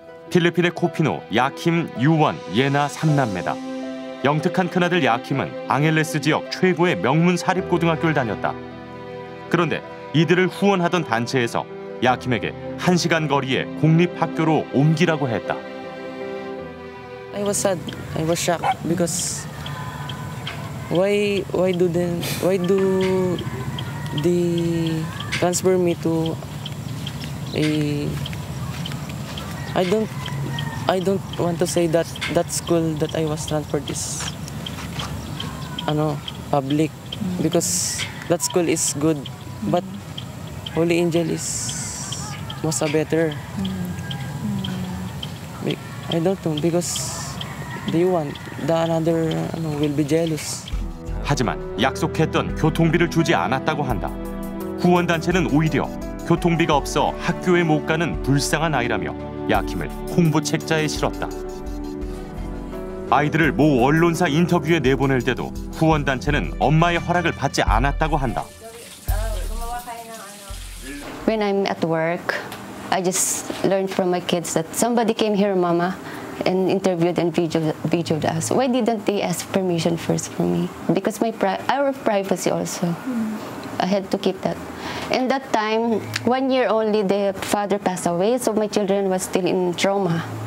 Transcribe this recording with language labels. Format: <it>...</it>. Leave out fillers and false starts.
<ko>필리핀의 코피노, 야킴, 유원, 예나 3남매다. 영특한 큰아들 야킴은 앙헬레스 지역 최고의 명문 사립고등학교를 다녔다. 그런데 이들을 후원하던 단체에서 야킴에게 1시간 거리에 공립학교로 옮기라고 했다.</ko> <en>I was sad. I was shocked because why do they transfer me to a I don't want to say that school that I was transferred is public because that school is good but Holy Angel is was a better. Mm. Mm. I don't know because they want the another will be jealous.</en> <ko>하지만 약속했던 교통비를 주지 않았다고 한다. 후원 단체는 오히려 교통비가 없어 학교에 못 가는 불쌍한 아이라며 야킴을 홍보 책자에 실었다. 아이들을 모 언론사 인터뷰에 내보낼 때도 후원 단체는 엄마의 허락을 받지 않았다고 한다.</ko> <en>When I'm at work, I just learned from my kids that somebody came here, Mama, and interviewed and videoed us. Why didn't they ask permission first for me? Because my our privacy also. I had to keep that. In that time, 1 year only, the father passed away, so my children were still in trauma.</en>